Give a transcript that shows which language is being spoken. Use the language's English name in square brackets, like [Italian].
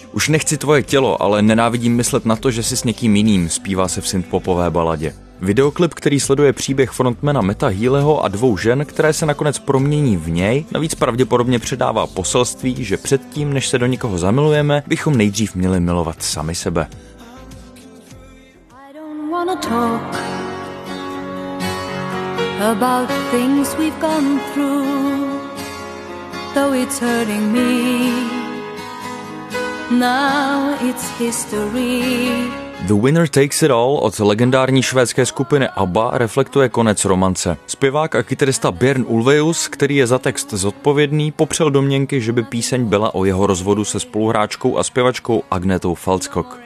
[Czech] Už nechci tvoje tělo, ale nenávidím myslet na to, že jsi s někým jiným, zpívá se v synthpopové baladě. Videoklip, který sleduje příběh frontmana Metta Healyho a dvou žen, které se nakonec promění v něj, navíc pravděpodobně předává poselství, že předtím, než se do někoho zamilujeme, bychom nejdřív měli milovat sami sebe. [English] I don't wanna talk about things we've gone through, though it's hurting me. Now it's history. [Czech] The Winner Takes It All od legendární švédské skupiny ABBA reflektuje konec romance. Zpěvák a kytarista Björn Ulvaeus, který je za text zodpovědný, popřel domněnky, že by píseň byla o jeho rozvodu se spoluhráčkou a zpěvačkou Agnetou Faltskog.